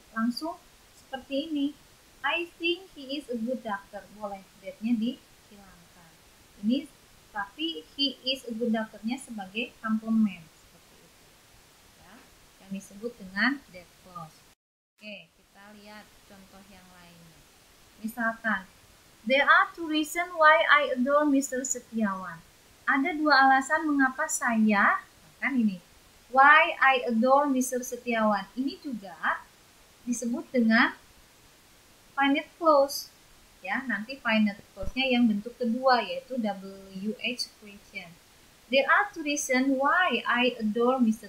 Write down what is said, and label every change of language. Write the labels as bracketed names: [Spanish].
[Indonesian] Langsung seperti ini. [English] I think he is a good doctor. [Indonesian] Boleh that-nya dihilangkan. Ini tapi [English] he is a good doctor- [Indonesian] nya sebagai complement, seperti itu. Ya. Yang disebut dengan that clause. Oke, kita lihat contoh yang lainnya. Misalkan, [English] there are two reasons why I adore Mr. [Indonesian] Setiawan. Ada dua alasan mengapa saya, kan ini, [English] why I adore Mr. Setiawan. [Indonesian] Ini juga disebut dengan finite clause, ya. Nanti finite clause-nya yang bentuk kedua, yaitu WH question. [English] There are two reasons why I adore Mr.